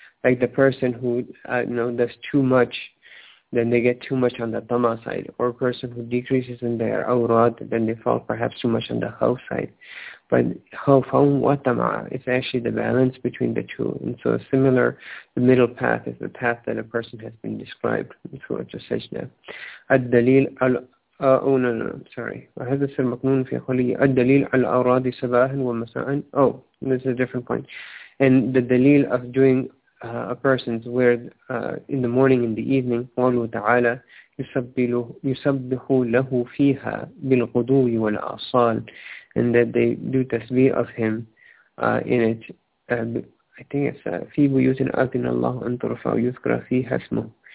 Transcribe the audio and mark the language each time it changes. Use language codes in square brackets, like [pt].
[en] Like the person who, you know, does too much, then they get too much on the tama side, or a person who decreases in their awrad, then they fall perhaps too much on the khawf side. But khawf wa tama is actually the balance between the two. And so similar, the middle path is the path that a person has been described in Surah Al-Sajdah. الدليل Oh, no, sorry. [ar] وهذا سرمقنون في خلي الدليل على أوراد صباحا ومساء. [en] Oh, this is a different point. And the دليل of doing a person's word in the morning, in the evening, [ar] قوله تعالى يسبح له فيها بالغدو والآصال. [en] And that they do tasbih of him in it. I think it's [ar] في بيوت أذن الله أن ترفع يذكر فيها اسمه.